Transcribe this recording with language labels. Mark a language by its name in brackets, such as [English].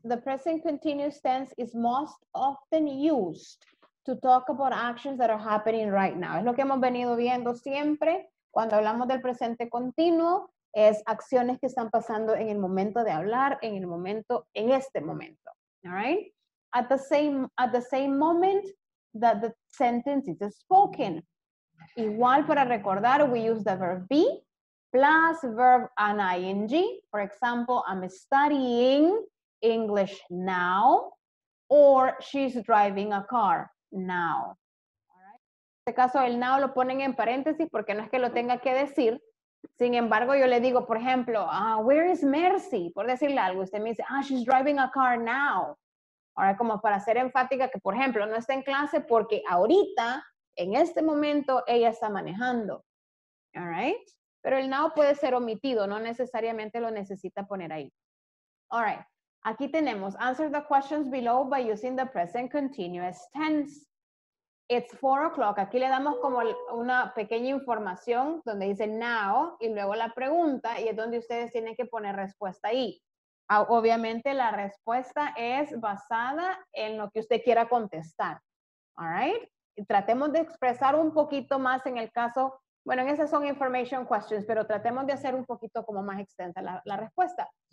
[English] The present continuous tense is most often used to talk about actions that are happening right now. [Spanish] Es lo que hemos venido viendo siempre cuando hablamos del presente continuo. Es acciones que están pasando en el momento de hablar, en este momento. [English] All right. At the same moment that the sentence is spoken. [Spanish] Igual para recordar, [English] we use the verb be plus verb an ing. For example, I'm studying English now, or she's driving a car now. [Spanish] En este caso, el now lo ponen en paréntesis porque no es que lo tenga que decir. Sin embargo, yo le digo, por ejemplo, [English] where is Mercy? [Spanish] Por decirle algo, usted me dice, [English] she's driving a car now. [Spanish] Ahora, como para ser enfática, que por ejemplo, no está en clase porque ahorita, en este momento, ella está manejando. All right? Pero el now puede ser omitido. No necesariamente lo necesita poner ahí. All right. Aquí tenemos. [English] Answer the questions below by using the present continuous tense. It's 4:00. [Spanish] Aquí le damos como una pequeña información donde dice now y luego la pregunta y es donde ustedes tienen que poner respuesta ahí. Obviamente, la respuesta es basada en lo que usted quiera contestar. All right? Tratemos de expresar un poquito más en el caso, bueno, en esas son information questions, pero tratemos de hacer un poquito como más extensa la respuesta.